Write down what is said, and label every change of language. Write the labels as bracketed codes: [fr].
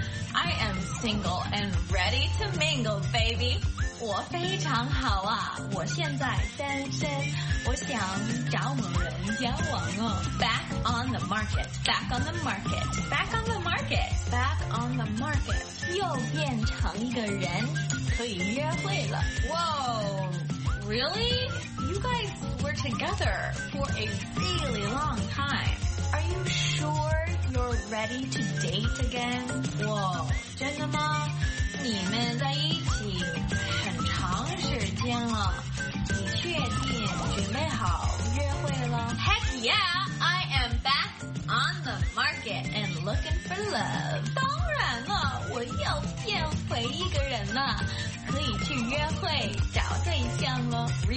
[en] I am single and ready to mingle, baby. [zh] 我非常好啊，我现在单身，我想找某人交往哦。 [en] Back on the market. [zh] 又变成一个人，可以约会了。 [en] Whoa, really? You guys were together for a really long time. Are you sure you're ready to date again? [zh] Whoa, 真的吗？你们在一起很长时间了，你确定准备好约会了？ [en] Heck yeah, I am back on the market and looking for love. [zh] 当然了，我又变回一个人了，可以去约会找对象了。